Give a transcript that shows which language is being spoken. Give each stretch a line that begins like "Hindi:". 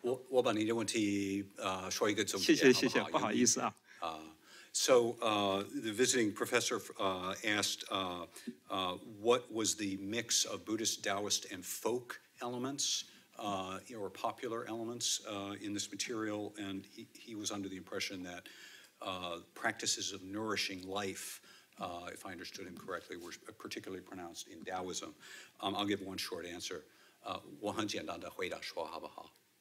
Chinese: 我把你的问题说一个总结。谢谢好不好，谢谢，不好意思啊。
English: The visiting professor asked what was the mix of Buddhist, Taoist, and folk elements or popular elements in this material, and he was under the impression that practices of nourishing life, if I understood him correctly, were particularly pronounced in Taoism. I'll give one short answer.
Chinese: 我很简单的回答说好不好？